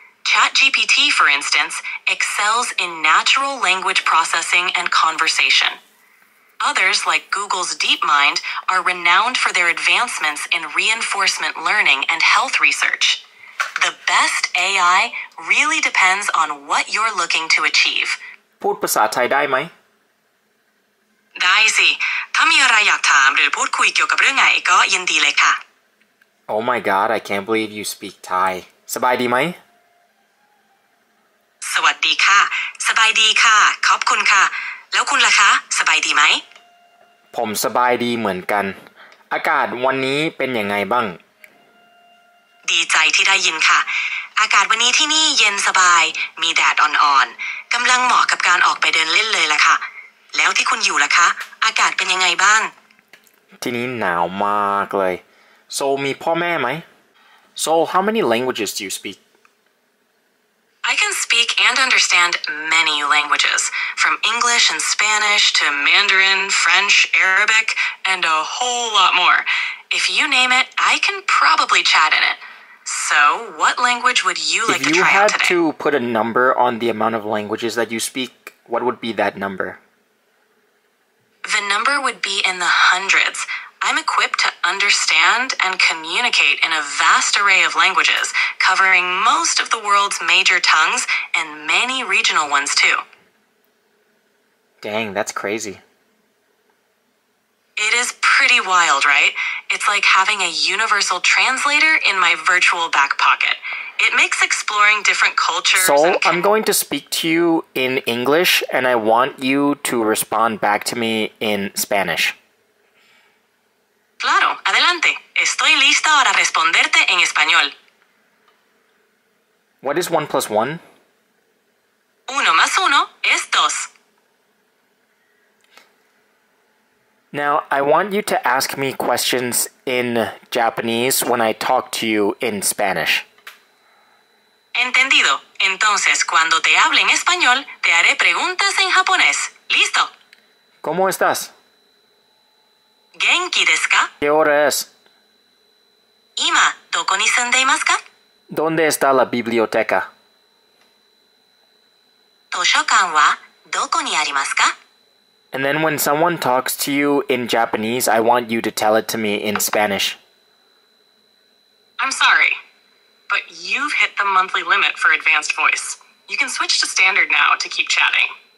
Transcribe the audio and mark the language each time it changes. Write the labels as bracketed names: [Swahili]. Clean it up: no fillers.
[English] ChatGPT, for instance, excels in natural language processing and conversation. Others, like Google's DeepMind, are renowned for their advancements in reinforcement learning and health research. The best AI really depends on what you're looking to achieve. [Thai] พูดภาษาไทยได้ไหม ได้สิถ้ามีอะไรอยากถามหรือพูดคุยเกี่ยวกับเรื่องไหนก็ยินดีเลยค่ะ [English] Oh my god, I can't believe you speak Thai. [Thai] สบายดีไหม สวัสดีค่ะสบายดีค่ะขอบคุณค่ะแล้วคุณล่ะคะสบายดีไหม ผมสบายดีเหมือนกันอากาศวันนี้เป็นยังไงบ้าง ดีใจที่ได้ยินค่ะอากาศวันนี้ที่นี่เย็นสบายมีแดดอ่อนๆกำลังเหมาะกับการออกไปเดินเล่นเลยล่ะค่ะแล้วที่คุณอยู่ล่ะคะอากาศเป็นยังไงบ้าง ที่นี่หนาวมากเลยโซลมีพ่อแม่ไหมโซล [English] how many languages do you speak I can speak and understand many languages, from English and Spanish to Mandarin, French, Arabic, and a whole lot more. If you name it, I can probably chat in it. So, what language would you like to try out today? If you had to put a number on the amount of languages that you speak, what would be that number? The number would be in the hundreds. I'm equipped to understand and communicate in a vast array of languages, covering most of the world's major tongues and many regional ones too. Dang, that's crazy. It is pretty wild, right? It's like having a universal translator in my virtual back pocket. It makes exploring different cultures. So, I'm going to speak to you in English, and I want you to respond back to me in Spanish. [Spanish] Claro, adelante. Estoy lista para responderte en español. [English] What is 1 plus 1? [Spanish] Uno más uno es dos. [English] Now, I want you to ask me questions in Japanese when I talk to you in Spanish. [Spanish] Entendido. Entonces, cuando te hable en español, te haré preguntas en japonés. Listo. ¿Cómo estás? [Japanese] Genki desu ka? [Spanish] ¿Qué hora es? [Japanese] Ima, doko ni sunde imasu ka? [Spanish] ¿Dónde está la biblioteca? [Japanese] Toshokan wa doko ni arimasu ka? [English] And then when someone talks to you in Japanese, I want you to tell it to me in Spanish. I'm sorry, but you've hit the monthly limit for advanced voice. You can switch to standard now to keep chatting.